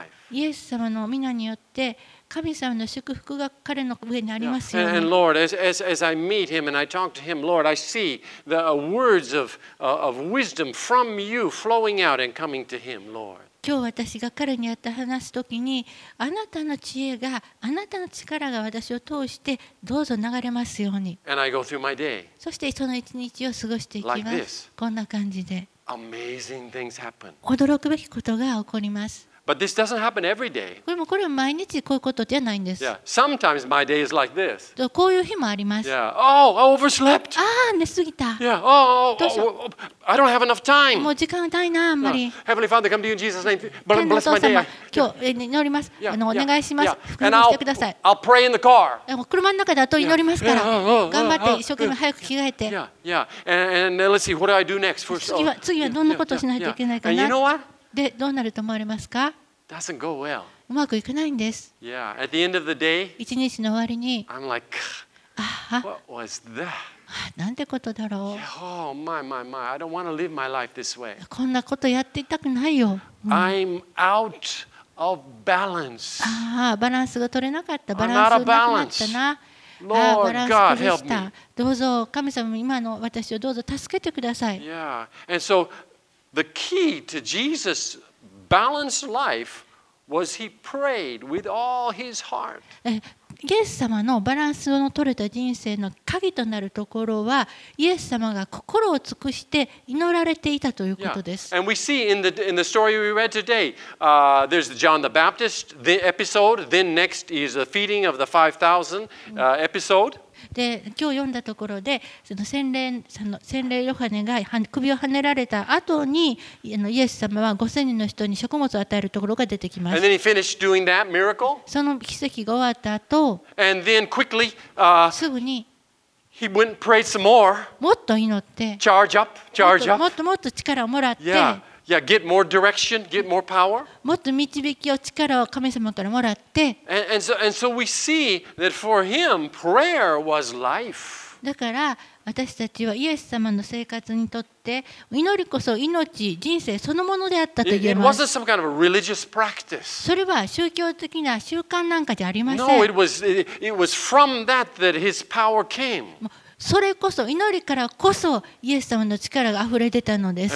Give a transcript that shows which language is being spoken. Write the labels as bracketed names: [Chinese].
[Japanese] イエス様の御名によって神様の祝福が彼の上にありますように。 [English] And Lord, as I meet him and I talk to him, Lord, I see the words of wisdom from you flowing out and coming to him, Lord. [Japanese] 今日私が彼に会って話すときに、あなたの知恵が、あなたの力が私を通してどうぞ流れますように。 [English] And I go through my day. [Japanese] そしてその一日を過ごしていきます。 [English] Like this. [Japanese] こんな感じで。 [English] Amazing things happen. [Japanese] 驚くべきことが起こります。 [English] But this doesn't happen every day. [Japanese] でもこれは毎日こういうことじゃないんです。 [English] Yeah. Sometimes my day is like this. [Japanese] とこういう日もあります。 [English] Yeah. Oh, I overslept. [Japanese] ああ、寝すぎた。 [English] Yeah. Oh, [Japanese] どうしよう。 [English] I don't have enough time. [Japanese] もう時間がないな、あんまり。 [English] Yeah. Heavenly Father, come to you in Jesus' name. Bless my day. [Japanese] 今日、祈ります。お願いします。 [English] Yeah. Yeah. [Japanese] 福音してください。 [English] I'll pray in the car. [Japanese] 車の中だと祈りますから。頑張って一生懸命早く着替えて。 [English] Yeah. Yeah. And let's see what I do next. First. [Japanese] 次はどんなことをしないといけないかな。 [English] And you know what? [Japanese] でどうなると思われますか？ [English] Doesn't go well. [Japanese] うまくいかないんです。 [English] Yeah, at the end of the day, [Japanese] 一日の終わりに、 [English] I'm like, what was that? [Japanese] なんてことだろう。 [English] Yeah, oh my, my, my! I don't want to live my life this way. [Japanese] こんなことやっていたくないよ。 [English] I'm out of balance. [Japanese] ああ、バランスが取れなかった。バランスがなくなったな。 [English] Lord God, help me. [Japanese] どうぞ神様、今の私をどうぞ助けてください。 [English] Yeah, and so. The key to Jesus' balanced life was he prayed with all his heart. [Japanese] イエス様のバランスの取れた人生の鍵となるところは、イエス様が心を尽くして祈られていたということです。 [English] And we see in the story we read today, there's John the Baptist, the episode. Then next is the feeding of the 5,000, episode. [Japanese] で今日読んだところで、その洗礼ヨハネが首をはねられた後に、イエス様は5000人の人に食物を与えるところが出てきます。 [English] And then he finished doing that miracle. [Japanese] その奇跡が終わった後、 [English] And then quickly, [Japanese] すぐに、 [English] he went and prayed some more. [Japanese] もっと祈って、 [English] charge up, charge up. [Japanese] もっと力をもらって、 [English] yeah. Yeah, get more direction, get more power. [Japanese] もっと導きを力を神様からもらって。 [English] And so we see that for him, prayer was life. [Japanese] だから私たちはイエス様の生活にとって祈りこそ命、人生そのものであったと言えます。 [English] It wasn't some kind of religious practice. [Japanese] それは宗教的な習慣なんかじゃありません。 [English] No, it was from that his power came. [Japanese] それこそ祈りからこそイエス様の力があふれ出たのです。